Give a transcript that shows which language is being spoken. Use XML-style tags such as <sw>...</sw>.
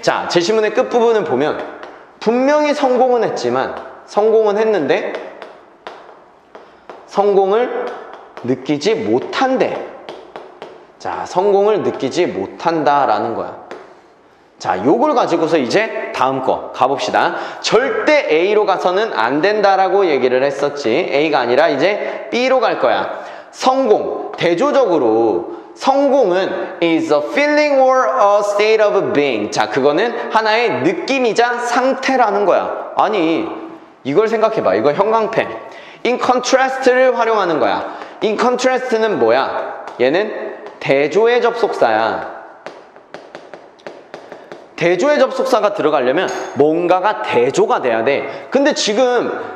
<ko>자, 제시문의 끝부분을 보면 분명히 성공은 했는데 성공을 느끼지 못한대. 자, 성공을 느끼지 못한다라는 거야. 자, 요걸 가지고서 이제 다음 거 가봅시다. 절대 A로 가서는 안 된다라고 얘기를 했었지. A가 아니라 이제 B로 갈 거야. 성공, 대조적으로 성공은</ko> <en>is a feeling or a state of being.</en> <ko>자, 그거는 하나의 느낌이자 상태라는 거야. 아니, 이걸 생각해봐. 이거 형광펜. In contrast를 활용하는 거야. In contrast는 뭐야? 얘는 대조의 접속사야. 대조의 접속사가 들어가려면 뭔가가 대조가 돼야 돼. 근데 지금</ko>